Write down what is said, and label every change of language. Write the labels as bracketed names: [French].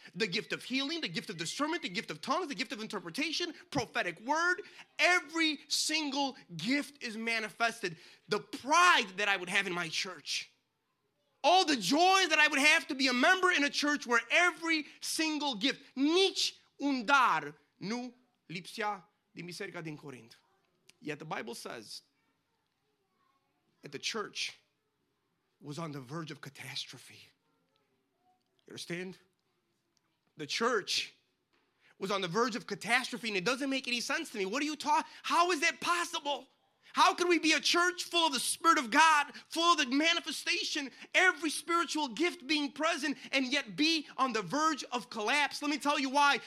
[English] The gift of healing, the gift of discernment, the gift of tongues, the gift of interpretation, prophetic word. Every single gift is manifested. The pride that I would have in my church. All the joy that I would have to be a member in a church where every single gift. [Romanian] Nici un dar nu lipsea din biserica din Corint. [English] Yet the Bible says that the church was on the verge of catastrophe. You understand? The church was on the verge of catastrophe, and it doesn't make any sense to me. What are you talking? How is that possible? How can we be a church full of the Spirit of God, full of the manifestation, every spiritual gift being present, and yet be on the verge of collapse? Let me tell you why.